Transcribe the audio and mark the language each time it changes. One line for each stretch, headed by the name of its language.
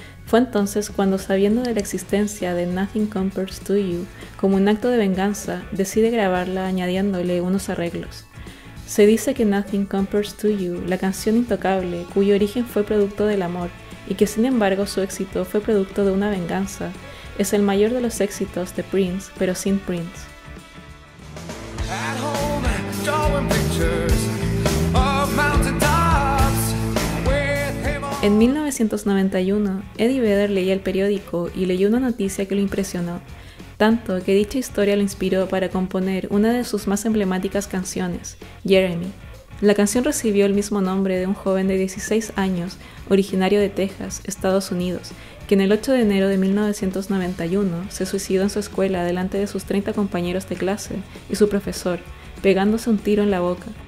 Spanish: Fue entonces cuando, sabiendo de la existencia de Nothing Compares to You, como un acto de venganza, decide grabarla añadiéndole unos arreglos. Se dice que Nothing Compares to You, la canción intocable, cuyo origen fue producto del amor, y que sin embargo su éxito fue producto de una venganza, es el mayor de los éxitos de Prince, pero sin Prince.
English: At home, drawing pictures of mountaintops with him on...
Spanish: En 1991, Eddie Vedder leía el periódico y leyó una noticia que lo impresionó, tanto que dicha historia lo inspiró para componer una de sus más emblemáticas canciones, Jeremy. La canción recibió el mismo nombre de un joven de 16 años, originario de Texas, Estados Unidos, que en el 8 de enero de 1991 se suicidó en su escuela delante de sus 30 compañeros de clase y su profesor, pegándose un tiro en la boca.